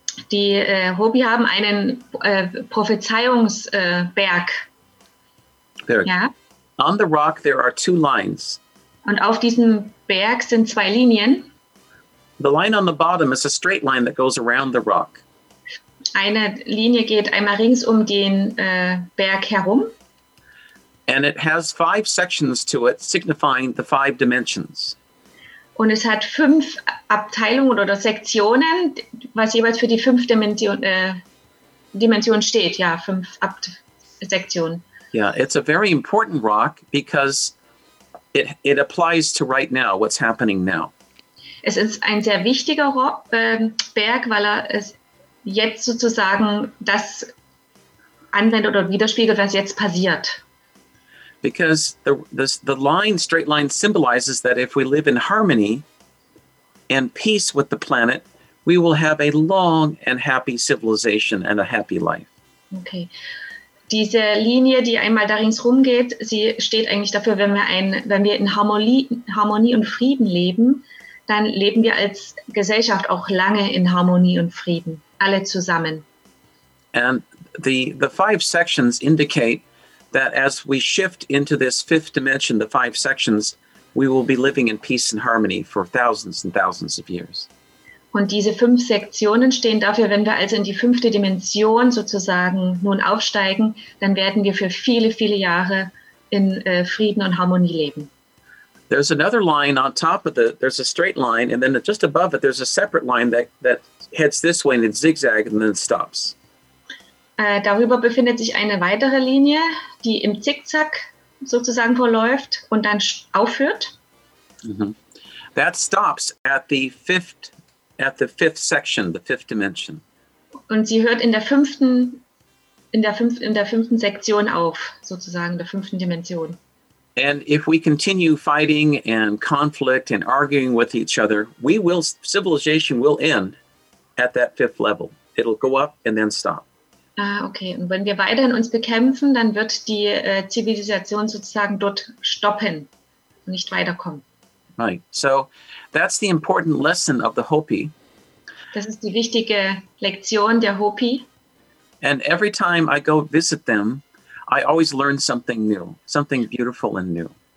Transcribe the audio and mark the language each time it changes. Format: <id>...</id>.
<de>Die Hopi haben einen Prophezeiungsberg.</de> <en>On the rock there are two lines.</en> <de>Und auf diesem Berg sind zwei Linien.</de> <en>The line on the bottom is a straight line that goes around the rock.</en> <de>Eine Linie geht einmal rings um den Berg herum.</de> <en>And it has five sections to it, signifying the five dimensions.</en> <de>Und es hat fünf Abteilungen oder Sektionen, was jeweils für die fünf Dimension steht. Ja, fünf Sektionen.</de> <en>Yeah, it's a very important rock because it applies to right now, what's happening now.</en> <de>Es ist ein sehr wichtiger Berg, weil er es jetzt sozusagen das anwendet oder widerspiegelt, was jetzt passiert.</de> <en>Because the line, straight line, symbolizes that if we live in harmony and peace with the planet, we will have a long and happy civilization and a happy life. Okay.</en> <de>Diese Linie, die einmal da ringsrum geht, sie steht eigentlich dafür, wenn wir in Harmonie und Frieden leben, dann leben wir als Gesellschaft auch lange in Harmonie und Frieden, alle zusammen.</de> <en>And the five sections indicate that as we shift into this fifth dimension, the five sections, we will be living in peace and harmony for thousands and thousands of years.</en> <de>Und diese fünf Sektionen stehen dafür, wenn wir also in die fünfte Dimension sozusagen nun aufsteigen, dann werden wir für viele, viele Jahre in Frieden und Harmonie leben.</de> <en>There's another line on top of there's a straight line, and then just above it, there's a separate line that heads this way and it zigzags and then stops.</en> <de>Darüber befindet sich eine weitere Linie, die im Zickzack sozusagen verläuft und dann aufhört. Mm-hmm.</de> <en>That stops at the fifth section, the fifth dimension.</en> <de>Und sie hört in der fünften Sektion auf, sozusagen der fünften Dimension.</de> <en>And if we continue fighting and conflict and arguing with each other, civilization will end at that fifth level. It'll go up and then stop. Ah, okay.</en> <de>Und wenn wir weiterhin uns bekämpfen, dann wird die Zivilisation sozusagen dort stoppen und nicht weiterkommen.</de> <en>Right. So that's the important lesson of the Hopi.</en> <de>Das ist die wichtige Lektion der Hopi.</de> <en>And every time I go visit them, I always learn something new, something beautiful and new.</en>